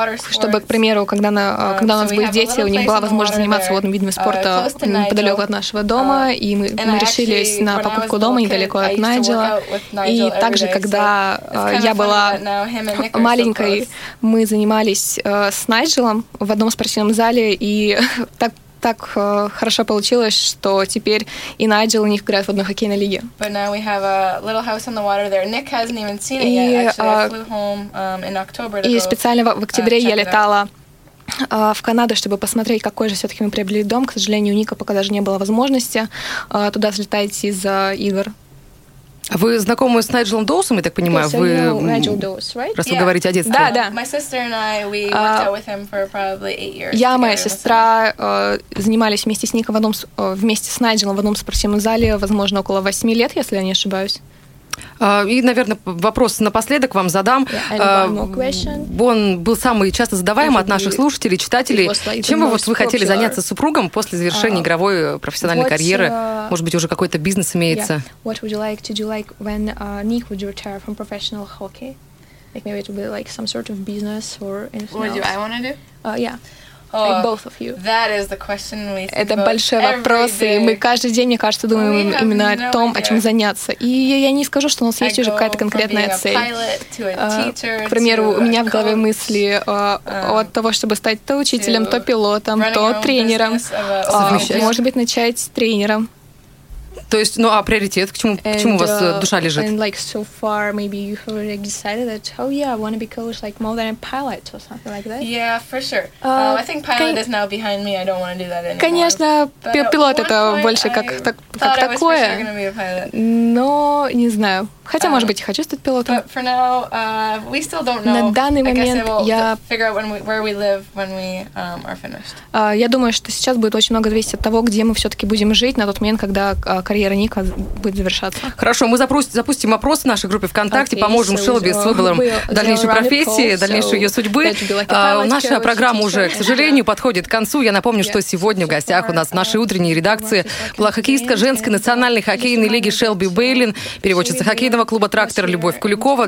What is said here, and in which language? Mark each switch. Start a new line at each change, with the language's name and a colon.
Russian: Чтобы, к примеру, когда у нас были дети, у них была возможность заниматься водным видом спорта неподалеку от нашего дома, и мы решились на покупку дома недалеко от Найджела. И также, когда я была маленькой, мы занимались с Найджелом в одном спортивном зале, и так хорошо получилось, что теперь и Найджел, и Ник играют в одной хоккейной лиге.
English: But now we have a little house on the water there. Nick hasn't even seen it yet. Actually, I flew home in October.
Russian: И специально в октябре я летала в Канаду, чтобы посмотреть, какой же все-таки мы приобрели дом. К сожалению, у Ника пока даже не было возможности туда слетать из-за игр. Вы знакомы с Найджелом Доусом, я так понимаю?
English: Okay, so you know Nigel Dose, right?
Russian: Просто вы говорите о детстве. Да, да.
English: My sister and I, we worked out with him for probably 8 years.
Russian: Я, моя сестра, занимались вместе с Ником вместе с Найджелом в одном спортивном зале, возможно, около 8 лет, если я не ошибаюсь. И, наверное, вопрос напоследок вам задам. Он был самый часто задаваемый от наших слушателей, читателей. Чем вы хотели заняться с супругом после завершения игровой профессиональной карьеры? Может быть, уже какой-то бизнес имеется?
English: What would you like to do, like, when Nick would retire from professional hockey? Like, maybe it would be, like, some sort of business or anything else. What do I want to do? Like both of you. That is the question we think
Russian: Это большой вопрос,
English: day.
Russian: И мы каждый день, мне кажется, думаем именно о том, о чем заняться. И я не скажу, что у нас есть уже какая-то конкретная цель. К примеру, у меня в голове мысли от того, чтобы стать то учителем, то пилотом, то тренером. Может быть, начать с тренером. То есть, ну а приоритет, к чему у вас душа лежит?
English: And like so far, maybe you have already decided that, oh yeah, I want to be coach like more than a pilot or something like that. Yeah, for sure. I think pilot is now behind me. I don't want to do that anymore.
Russian: Конечно, пилот это больше как такое.
English: Thought I was for sure gonna be a pilot.
Russian: Но не знаю. Хотя, может быть, и хочу стать пилотом.
English: But for now, we still don't know.
Russian: На данный момент я
English: figure out where we live when we are finished.
Russian: Я думаю, что сейчас будет очень много зависеть от того, где мы все-таки будем жить на тот момент, когда карьера Ника будет завершаться. Хорошо, мы запустим опрос в нашей группе ВКонтакте, okay, поможем Шелби с выбором дальнейшей профессии, дальнейшей ее судьбы. Наша программа уже, к сожалению, подходит к концу. Я напомню, что сегодня в гостях у нас в нашей утренней редакции была хоккеистка женской национальной хоккейной лиги Шелби Бейлин, переводчица хоккейного клуба «Трактор» Любовь Куликова.